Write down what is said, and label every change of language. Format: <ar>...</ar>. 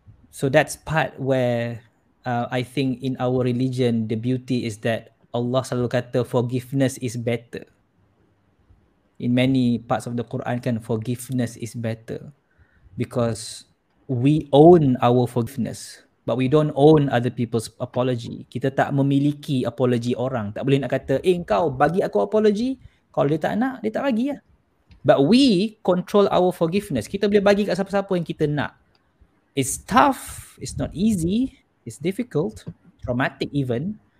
<en>So that's part where I think in our religion, the beauty is that</en> <ms>Allah selalu kata</ms> <en>forgiveness is better. In many parts of the Quran</en> <ms>kan,</ms> <en>forgiveness is better. Because we own our forgiveness, but we don't own other people's apology.</en> <ms>Kita tak memiliki apology orang. Tak boleh nak kata, eh kau bagi aku apology. Kalau dia tak nak, dia tak bagi lah.</ms> <en>But we control our forgiveness.</en> <ms>Kita boleh bagi kat siapa-siapa yang kita nak.</ms> <en>It's tough, it's not easy, it's difficult, traumatic even.</en>